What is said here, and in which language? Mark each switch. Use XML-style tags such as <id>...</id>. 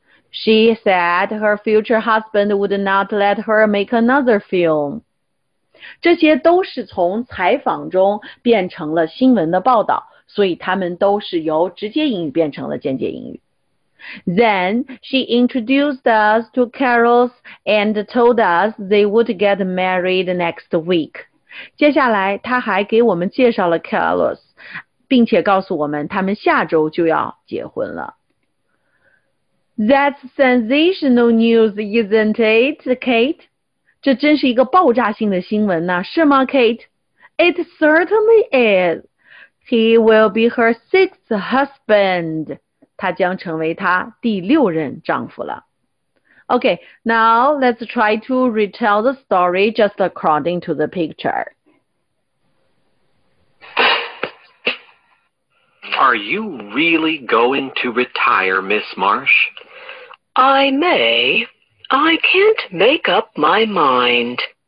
<en>She said her future husband would not let her make another film.</en> <zh>这些都是从采访中变成了新闻的报道，所以他们都是由直接英语变成了间接英语。</zh> <en>Then she introduced us to Carols and told us they would get married next week.</en> <zh>接下来她还给我们介绍了 Carols， 并且告诉我们他们下周就要结婚了。</zh> <en>That's sensational news, isn't it, Kate?</en> <zh>这真是一个爆炸性的新闻呢，是吗 Kate?</zh> <en>It certainly is. He will be her sixth husband.</en> <zh>他将成为他第六任丈夫了。</zh> <en>OK, now let's try to retell the story just according to the picture. Are you really going to retire, Miss Marsh? I may. I can't make up my mind.</en>